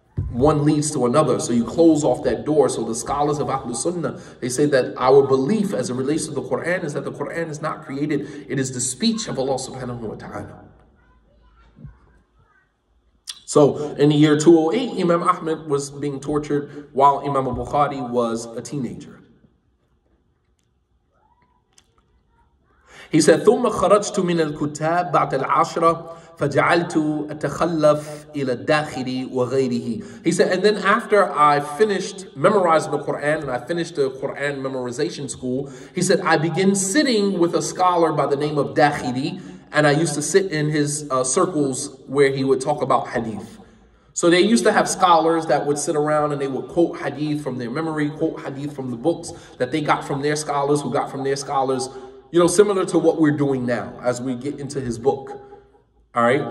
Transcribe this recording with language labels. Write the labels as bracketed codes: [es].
[en] One leads to another, so you close off that door. So the scholars of Ahlul Sunnah, they say that our belief as it relates to the Quran is that the Quran is not created. It is the speech of Allah subhanahu wa ta'ala. So in the year 208, Imam Ahmed was being tortured while Imam Bukhari was a teenager. [ar] He said, ثُمَّ خَرَجْتُ مِنَ الْكُتَابِ بَعْدَ الْعَشْرَةِ فَجَعَلْتُ أَتَخَلَّفْ إِلَى الدَّاخِرِ وَغَيْرِهِ. [en] He said, and then after I finished memorizing the Quran and I finished the Quran memorization school, he said, I began sitting with a scholar by the name of Dakhiri. And I used to sit in his circles where he would talk about hadith. So they used to have scholars that would sit around and they would quote hadith from their memory, quote hadith from the books that they got from their scholars, who got from their scholars, you know, similar to what we're doing now as we get into his book. All right.